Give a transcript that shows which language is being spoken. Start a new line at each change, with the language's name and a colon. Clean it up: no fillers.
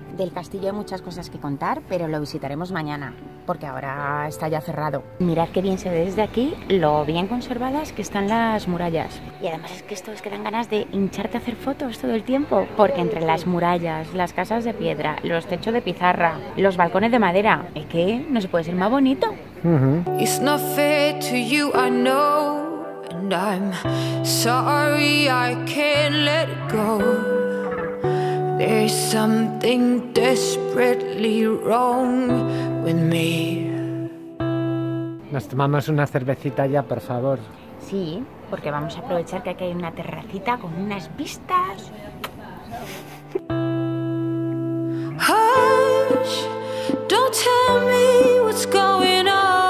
Spanish: Del castillo hay muchas cosas que contar, pero lo visitaremos mañana porque ahora está ya cerrado. Mirad qué bien se ve desde aquí, lo bien conservadas que están las murallas. Y además es que esto es que dan ganas de hincharte a hacer fotos todo el tiempo, porque entre las murallas, las casas de piedra, los techos de pizarra, los balcones de madera, es que no se puede ser más bonito.
English: It's not fair to you, I know, and I'm sorry I can't let go. There's something desperately wrong with me.
Spanish: Nos tomamos una cervecita ya, por favor. Sí, porque vamos a aprovechar que aquí hay una terracita con unas vistas.
English: Hush, don't tell me what's going on.